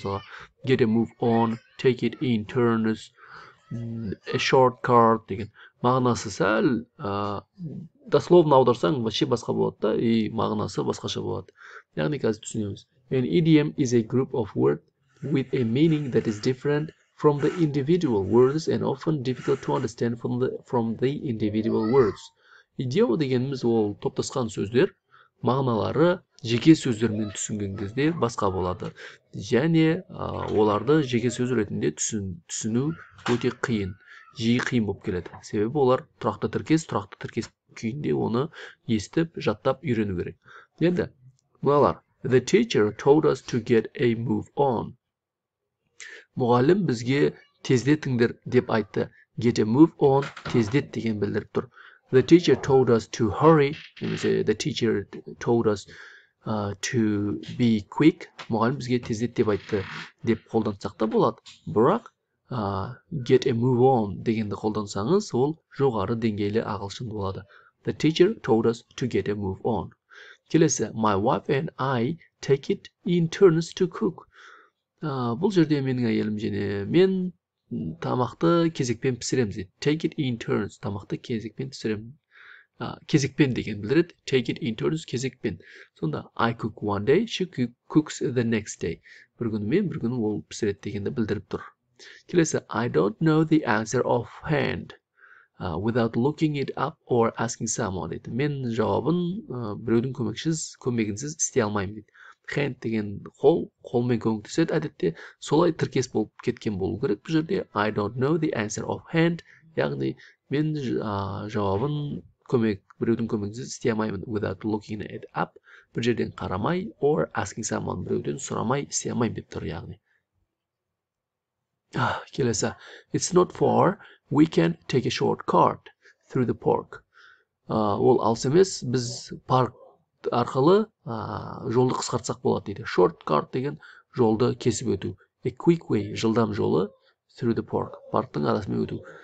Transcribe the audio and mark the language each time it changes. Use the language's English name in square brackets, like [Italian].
[Kazakh] Мысалға, [English] get a move on, take it in turns, a shortcut [Kazakh] деген. Мағынасы сәл, дословно аударсаң, вообще басқа болады да, и мағынасы басқаша болады. Яғни қазір түсінеміз. [English] An idiom is a group of words with a meaning that is different from the individual words and often difficult to understand from the individual words. [Kazakh] Идиома дегеніміз ол топтасқан сөздер, мағыналары жеке сөздермен түсінген кезде басқа болады. Және оларды жеке сөз ретінде түсіну өте қиын, жиі қиын болып келеді. Себебі олар тұрақты тіркес күйінде оны естіп, жаттап үйрену керек. Енді, мұналар, [English] the teacher told us to get a move on. [Kazakh] Мұғалім бізге тездетіңдер деп айтты. [English] Get a move on, [Kazakh] тездет деген білдіріп тұр. [English] The teacher told us to hurry. The teacher told us to be quick. [Kazakh] Мұғалім бізге тездет деп айтты деп қолдансақ та болады. Бірақ [English] get a move on [Kazakh] дегенді қолдансаңыз, ол жоғары деңгейлі ағылшын болады. [English] The teacher told us to get a move on. Келесі, my wife and I take it in turns to cook. [Kazakh] Бұл жерде менің әйелім және мен тамақты кезекпен пісіреміз. [English] Take it in turns. [Kazakh] Тамақты кезекпен пісіреміз. Кезекпен деген білдіреді. [English] Take it in turns. [Kazakh] Кезекпен. [English] Сонда, I cook one day. She cooks the next day. [Kazakh] Бір күні мен, бір күні ол пісіреді дегенді білдіріп тұр. [English] Келесі, I don't know the answer offhand. Without looking it up or asking someone. [Kazakh] Дейді. Мен жауабын біреудің көмегінсіз істей алмаймын. Дейді. Hand деген қол, қолмен көмектеседі әдетте, солай тіркес болып кеткен болу керек бұл жерде. [English] I don't know the answer of hand. [Kazakh] Яғни, мен жауабын біреудің көмегінсіз істей алмаймын. [English] Without looking it up, [Kazakh] бір жерден қарамай, [English] or asking someone, [Kazakh] біреуден сұрамай, істей алмаймын деп тұр, яғни. [English] Келесі, it's not far, we can take a short cut through the park. [Kazakh] Ол алыс емес, біз парк арқылы жолды қысқартсақ болады дейді. Short cut деген жолды кесіп өту. [English] A quick way, [Kazakh] жылдам жолы [English] through the park, [Kazakh] парктың арасымен өту.